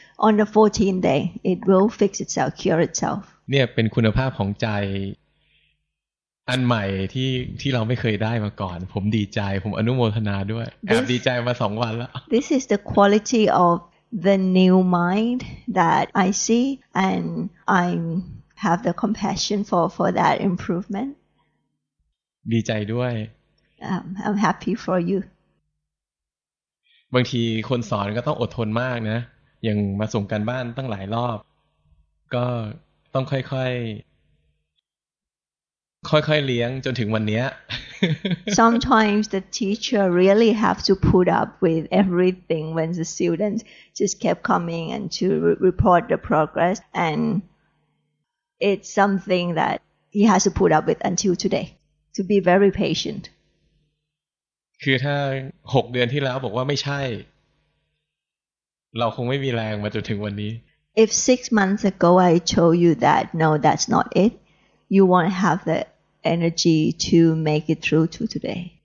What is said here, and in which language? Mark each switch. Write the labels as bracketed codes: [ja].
[en] On the 14th day, it will fix itself, cure itself. [th] เนี่ยเป็นคุณภาพของใจอันใหม่ที่เราไม่เคยได้มาก่อนผมดีใจผมอนุโมทนาด้วยแอบดีใจมา2วันแล้ว [en] This is the quality of the new mind that I see and I have the compassion for that improvement. [th] ดีใจด้วย [en] I'm happy for you [th] บางทีคนสอนก็ต้องอดทนมากนะยังมาส่งการบ้านตั้งหลายรอบก็ต้องค่อยๆเลี้ยงจนถึงวันนี้ [en] Sometimes the teacher really have to put up with everything when the students just kept coming and to report the progress and it's something that he has to put up with until todayTo be very patient. [th] คือถ้า6เดือนที่แล้วบอกว่าไม่ใช่เราคงไม่มีแรงมาจนถึงวันนี้ [en] If 6 months ago I told you that no that's not it you won't have the energy to make it through to today.